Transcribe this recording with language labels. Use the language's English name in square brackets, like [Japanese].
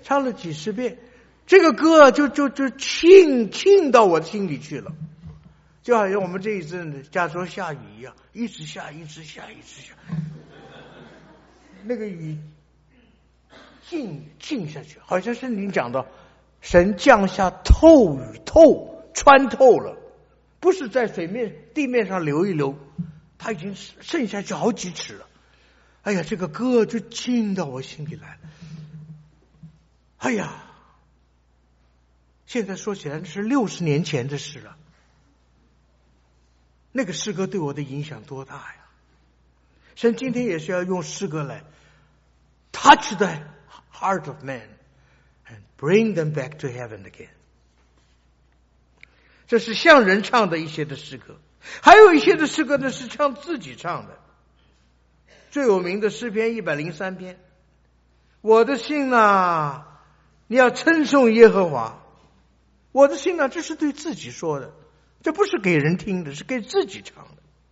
[Chinese] 唱了几十遍，这个歌就沁到我心里去了，就好像我们这一阵子加州下雨一样，一直下一直下一直下，那个雨浸下去，好像圣经讲的神降下透雨，透穿透了，不是在水面地面上流一流，它已经渗下去好几尺了。哎呀，这个歌就浸到我心里来了。哎呀，现在说起来是60年前的事了。那个诗歌对我的影响多大呀？神今天也是要用诗歌来 [English] touch the heart of man and bring them back to heaven again。 [Chinese] 这是向人唱的一些的诗歌，还有一些的诗歌呢是唱自己唱的。最有名的诗篇103篇，我的信呐、啊，你要称颂耶和华。我的信呐、啊，这是对自己说的，这不是给人听的，是给自己唱的。